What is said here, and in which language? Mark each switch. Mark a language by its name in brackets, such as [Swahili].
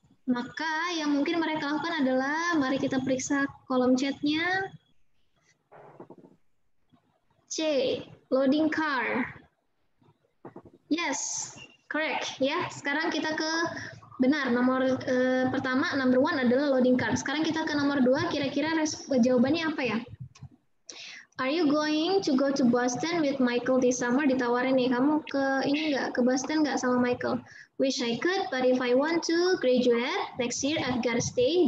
[Indonesian] Maka yang mungkin mereka lakukan adalah, mari kita periksa kolom chatnya. [English] C, loading car. Yes, correct. [Indonesian] Ya, sekarang kita ke benar. Nomor pertama, number one adalah loading car. Sekarang kita ke nomor dua, kira-kira jawabannya apa ya? [English] Are you going to go to Boston with Michael this summer? [Indonesian] Ditawarin nih, kamu ke ini nggak, ke Boston nggak sama Michael? [English] Wish I could, but if I want to graduate next year, I've got to stay.